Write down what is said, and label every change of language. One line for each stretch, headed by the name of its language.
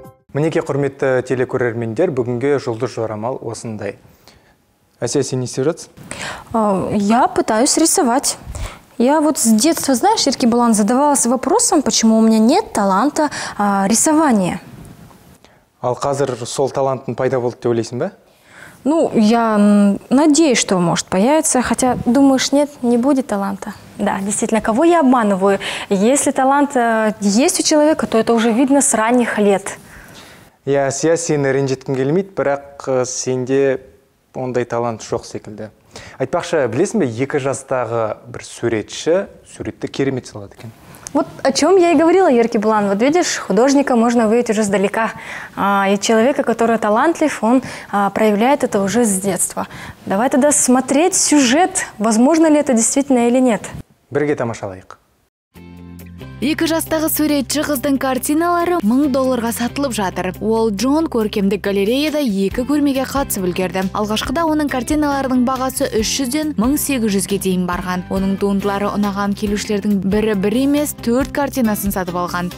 Kazakh: Мінекі құрметті телекөрермендер, бүгінгі жұлдыз жорамал осындай. Әсе, сен не істеп жатсың?
Russian: Я пытаюсь рисовать. Я вот с детства, знаешь, Ирки Балан, задавалась вопросом, почему у меня нет таланта рисования.
Kazakh: Ал қазір сол талантын пайда болды деп ойлайсың ба?
Russian: Ну, я надеюсь, что может появиться, хотя думаешь, нет, не будет таланта. Да, действительно, кого я обманываю? Если талант есть у человека, то это уже видно с ранних лет.
Kazakh: Я сия сені ренжеткім келмейді, бірақ сенде ондай талант жоқ секілді. Айтпақшы, білесің бе, екі жастағы бір суретші суретті керемет салады екен.
Russian: Вот о чем я и говорила, Ерке Булан. Вот видишь, художника можно выявить уже сдалека. И человека, который талантлив, он проявляет это уже с детства. Давай тогда смотреть сюжет, возможно ли это действительно или нет.
Kazakh: Бірге тамашалайық. Екі жастағы суретші қыздың картиналары 1000 долларға сатылып жатыр. Ол Джон көркемдік галереяда екі көрмеге қатысып үлгерді. Алғашқыда оның картиналарының бағасы 300-ден 1800-ге дейін барған. Оның туындылары ұнаған келушілердің бірі бір емес 4 картинасын сатып алған.